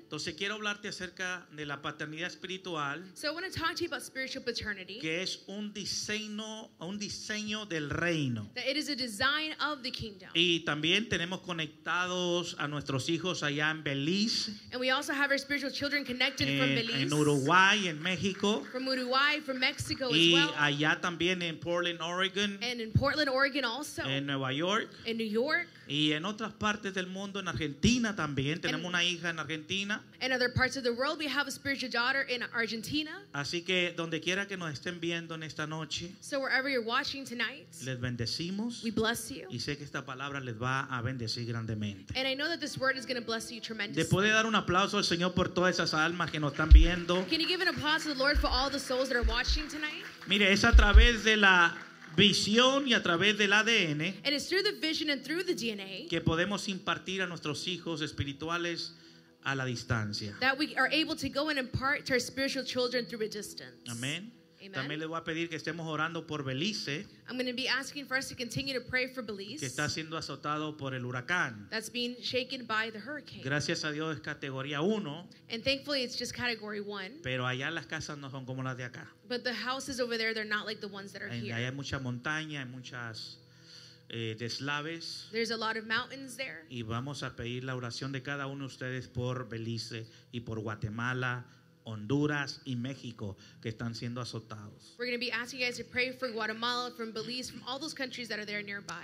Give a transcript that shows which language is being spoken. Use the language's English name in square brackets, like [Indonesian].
[Spanish] Entonces quiero hablarte acerca de la paternidad espiritual. [English] So I want to talk to you about spiritual paternity. [Spanish] Que es un diseño del reino. [English] That it is a design of the kingdom. [Spanish] Y también tenemos conectados a nuestros hijos allá en Belice. [English] And we also have our spiritual children connected from Belice. [Spanish] En Uruguay, en México. [English] From Uruguay, from Mexico [Spanish] y [English] as well. [Spanish] Y allá también en Portland, Oregon. [English] And in Portland, Oregon also. [Spanish] En Nueva York. [English] In New York. [Spanish] Y en otras partes del mundo, en Argentina también. Tenemos una hija en Argentina. [English] In other parts of the world, we have a spiritual daughter in Argentina. [Spanish] Así que donde quiera que nos estén viendo en esta noche. [English] So wherever you're watching tonight. [Spanish] Les bendecimos. [English] We bless you. [Spanish] Y sé que esta palabra les va a bendecir grandemente. [English] And I know that this word is going to bless you tremendously. [Spanish] ¿Le puede dar un aplauso al Señor por todas esas almas que nos están viendo? [English] Can you give an applause to the Lord for all the souls that are watching tonight? [Spanish] Mire, es a través de la visión y a través del ADN. [English] And it's through the vision and through the DNA. [Spanish] Que podemos impartir a nuestros hijos espirituales a la distancia. [English] That we are able to go and impart to our spiritual children through a distance. [Spanish] Amén. También le voy a pedir que estemos orando por Belice. [English] I'm going to be asking for us to continue to pray for Belize. [Spanish] Que está siendo azotado por el huracán. [English] That's being shaken by the hurricane. [Spanish] Gracias a Dios es categoría 1. [English] And thankfully it's just category 1. [Spanish] Pero allá las casas no son como las de acá. [English] But the houses over there, they're not like the ones that are here. [Spanish] Allá hay mucha montaña, hay muchas deslaves. [English] There's a lot of mountains there. [Spanish] Y vamos a pedir la oración de cada uno de ustedes por Belice y por Guatemala, Honduras y México que están siendo azotados. [English] We're going to be asking you guys to pray for Guatemala, from Belize, from all those countries that are there nearby.